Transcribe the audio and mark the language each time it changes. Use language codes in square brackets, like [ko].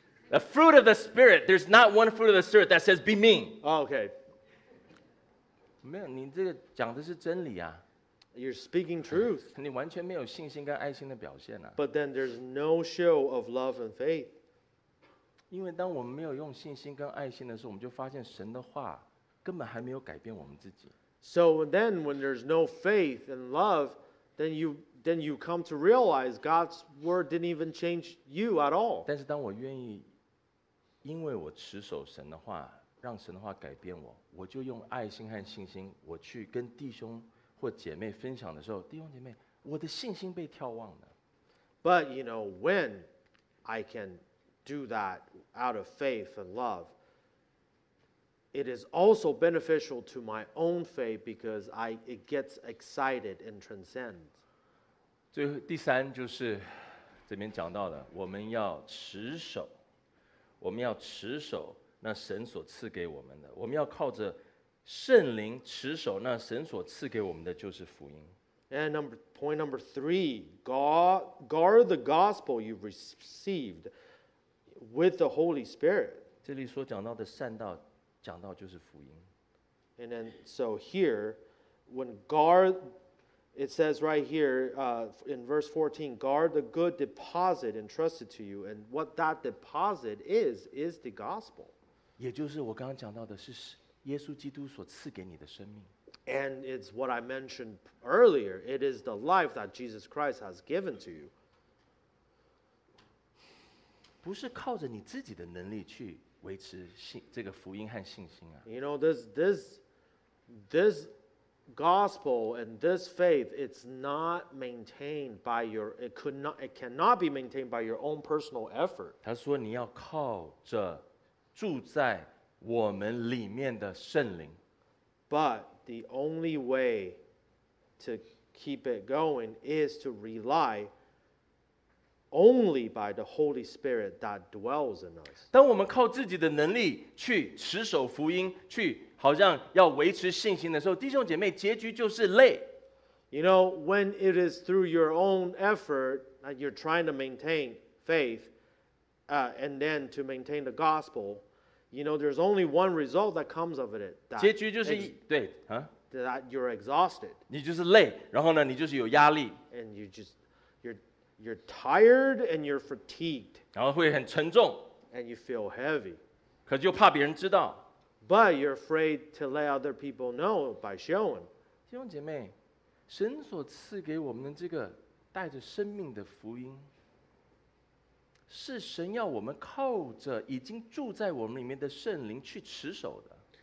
[en] The fruit of the Spirit, there's not one fruit of the Spirit that says, be mean. Oh, okay. [zh] 没有，你这个讲的是真理啊。 [en] You're speaking truth. [zh] 你完全没有信心跟爱心的表现啊。 [en] But then there's no show of love and faith. [zh] 因为当我们没有用信心跟爱心的时候，我们就发现神的话根本还没有改变我们自己。 [en] So then when there's no faith and love, then you come to realize God's word didn't even change you at all. [zh] 但是当我愿意因为我持守神的话，让神的话改变我，我就用爱心和信心，我去跟弟兄或姐妹分享的时候，弟兄姐妹，我的信心被眺望了。 [en] But you know, when I can do that out of faith and love, it is also beneficial to my own faith because it gets excited and transcends. [zh] 最后第三就是这边讲到的，我们要持守。我们要持守那神所赐给我们的，我们要靠着圣灵持守那神所赐给我们的就是福音。 [en] And number, point number three, guard the gospel you received with the Holy Spirit. [zh] 这里所讲到的善道，讲到就是福音。 [en] And then, so here, when guard, it says right here, in verse 14, guard the good deposit entrusted to you, and what that deposit is the gospel. [zh] 也就是我刚刚讲到的是耶稣基督所赐给你的生命。 [en] And it's what I mentioned earlier. It is the life that Jesus Christ has given to you. [zh] 不是靠着你自己的能力去维持信这个福音和信心啊。 [en] You know, this gospel and this faith, it's not maintained by your, it cannot be maintained by your own personal effort. [zh] 他说你要靠着住在我们里面的圣灵。 [en] But,The only way to keep it going is to rely only by the Holy Spirit that dwells in us. [zh] 当我们靠自己的能力去持守福音，去好像要维持信心的时候，弟兄姐妹，结局就是累。 [en] You know, when it is through your own effort that you're trying to maintain faith, and then to maintain the gospel,You know, there's only one result that comes of it. That [zh] 结局就是对、 [en] huh? That you're exhausted. [zh] 你就是累，然后呢，你就是有压力。 [en] And you just, you're tired and you're fatigued. [zh] 然后会很沉重。 [en] And you feel heavy. [zh] 可是又怕别人知道。 [en] But you're afraid to let other people know by showing. [zh] 弟兄姐妹，神所赐给我们的这个带着生命的福音。是神要我们靠着已经住在我们里面的圣灵去持守的。